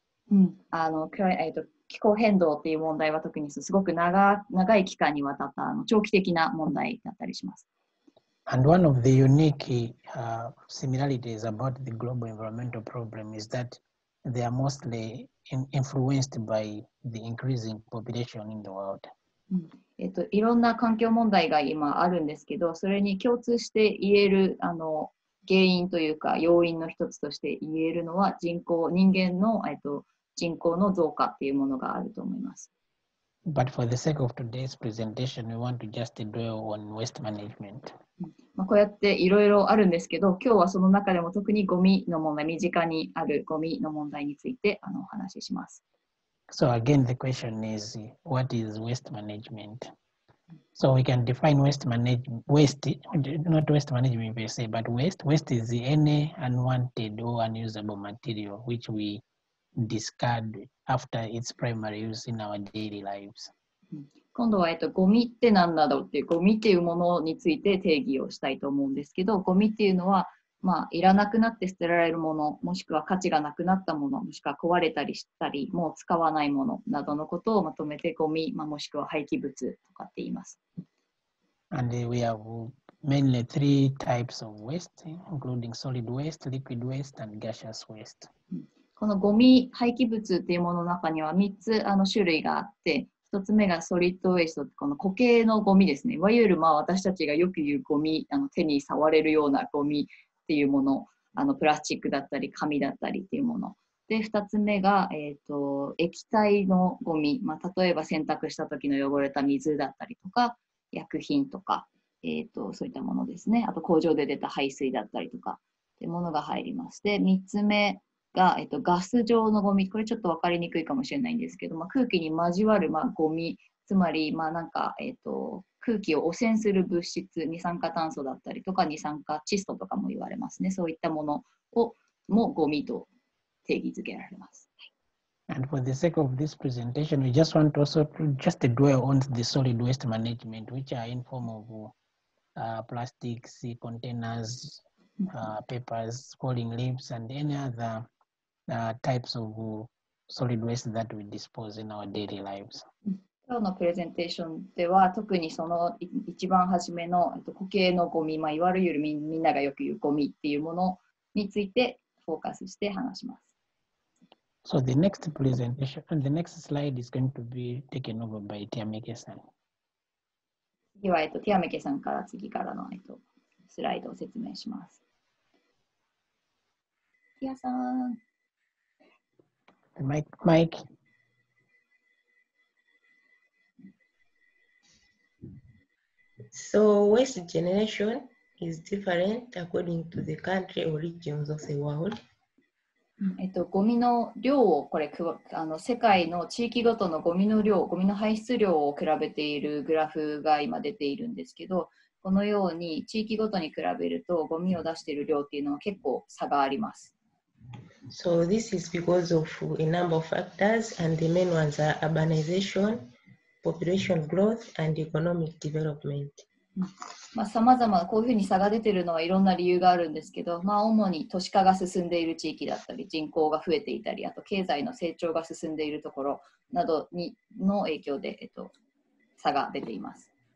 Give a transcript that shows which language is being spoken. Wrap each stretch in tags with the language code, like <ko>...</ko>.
<ja>うん、あの、気候変動っていう問題は特にすごく長い期間にわたったあの長期的な問題だったりします。</ja> <en>And one of the unique similarities about the global environmental problem is that they are mostly influenced by the increasing population in the world.</en> <ja>いろんな環境問題が今あるんですけど、それに共通して言えるあの原因というか要因の一つとして言えるのは人口、人間の人口の増加っていうものがあると思います。</ja> <en>But for the sake of today's presentation, we want to just dwell on waste management.</en> <ja>まあ、こうやっていろいろあるんですけど、今日はその中でも特にゴミの問題、身近にあるゴミの問題についてあのお話しします。</ja> <en>So again, the question is, what is waste management? So we can define waste is any unwanted or unusable material which we discard after its primary use in our daily lives.</en> <ja>今度は、ゴミって何だろうっていう、ゴミっていうものについて定義をしたいと思うんですけど、ゴミっていうのは、まあ、いらなくなって捨てられるもの、もしくは価値がなくなったもの、もしくは壊れたりしたり、もう使わないものなどのことをまとめてゴミ、まあ、もしくは廃棄物とかって言います。</ja> <en>And we have mainly three types of waste, including solid waste, liquid waste, and gaseous waste.</en> <ja>このゴミ廃棄物っていうものの中には3つ種類があって、1つ目がソリッドウェイスト、この固形のゴミですね。いわゆる、まあ、私たちがよく言うゴミ、手に触れるようなゴミっていうもの、プラスチックだったり紙だったりっていうもの。で、2つ目が、液体のゴミ、まあ、例えば洗濯した時の汚れた水だったりとか、薬品とか、そういったものですね。あと工場で出た排水だったりとかっていうものが入ります。で、3つ目が、ガス状のゴミ、これちょっと分かりにくいかもしれないんですけど、まあ、空気に交わる、まあ、ゴミ、つまり、まあ、なんか、空気を汚染する物質、二酸化炭素だったりとか、二酸化窒素とかも言われますね。そういったものをもゴミと定義づけられます。</ja> <en>And for the sake of this presentation, we just want also to just dwell on the solid waste management, which are in form of plastics, containers, papers, falling leaves, and any other types of solid waste that we dispose in our daily lives.</en> <ja>今日のプレゼンテーションでは、特にその一番初めの固形のゴミ、まあ、いわゆるみんながよく言うゴミっていうものについてフォーカスして話します。</ja> <en>So the next presentation and the next slide is going to be taken over by Tiamike-san.</en> <ja>次は、Tiamike-san から次からの、スライドを説明します。</ja> <en>Tia-san. The mic. So waste generation is different according to the country or regions of the world.</en> <ja>ゴミの量をこれ世界の地域ごとのゴミの量、ゴミの排出量を比べているグラフが今出ているんですけど、このように地域ごとに比べるとゴミを出している量っていうのは結構差があります。</ja> <en>So this is because of a number of factors, and the main ones are urbanization, population growth, and economic development.</en> <ja>まあ、様々こういうふうに差が出ているのはいろんな理由があるんですけど、まあ、主に都市化が進んでいる地域だったり人口が増えていたりあと経済の成長が進んでいるところなどにの影響で、差が出ています。</ja>